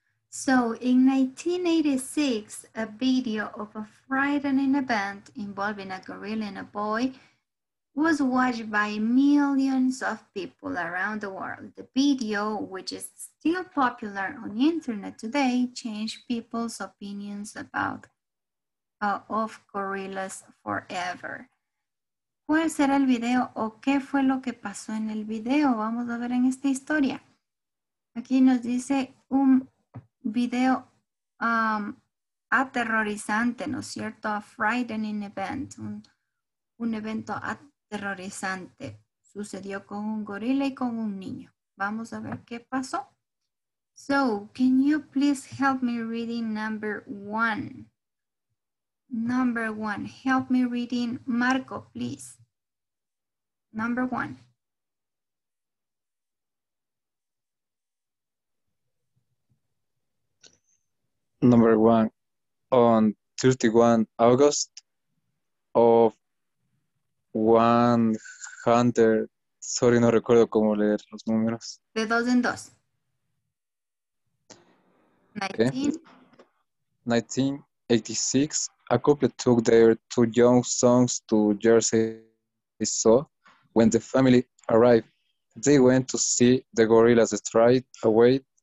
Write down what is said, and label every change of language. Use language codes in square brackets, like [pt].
[en] So in 1986, a video of a frightening event involving a gorilla and a boy was watched by millions of people around the world. The video, which is still popular on the internet today, changed people's opinions about of gorillas forever. [es] ¿Cuál será el video o qué fue lo que pasó en el video? Vamos a ver en esta historia. Aquí nos dice un video aterrorizante, ¿no es cierto? [en] A frightening event, [es] un evento aterrorizante. Sucedió con un gorila y con un niño. Vamos a ver qué pasó. [en] So, can you please help me reading number one? Number one, help me reading Marco, please. Number one. Number one, on 31 August of 100, sorry, [es] no recuerdo cómo leer los números. De dos en dos. [en] 1986, a couple took their two young sons to Jersey Shore. When the family arrived, they went to see the gorillas straight away.